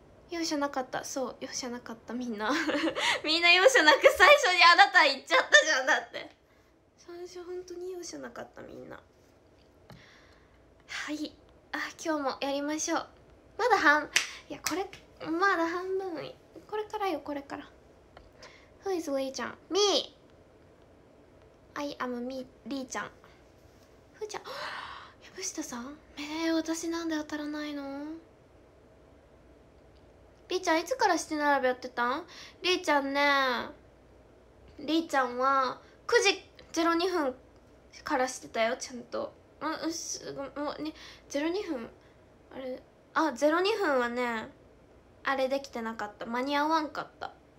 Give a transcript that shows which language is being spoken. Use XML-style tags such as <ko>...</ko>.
<ja>容赦なかった。そう、容赦なかった。みんなみんな容赦なく最初にあなた言っちゃったじゃん。だって最初本当に容赦なかった。みんなはい、あ、今日もやりましょう。まだ半、いやこれまだ半分、これからよ、これから。</ja> <en>Who is Lee ちゃん？ Me! I am me, Lee ちゃん。</en> <ja>Who ちゃん？山下さん？私なんで当たらないの？りーちゃん、いつから七並べやってたん？りーちゃんね、りーちゃんは9時02分からしてたよ、ちゃんと。あ、うっす、もうね、02分、あれ、あ、02分はね、あれできてなかった、間に合わんかった。</ja>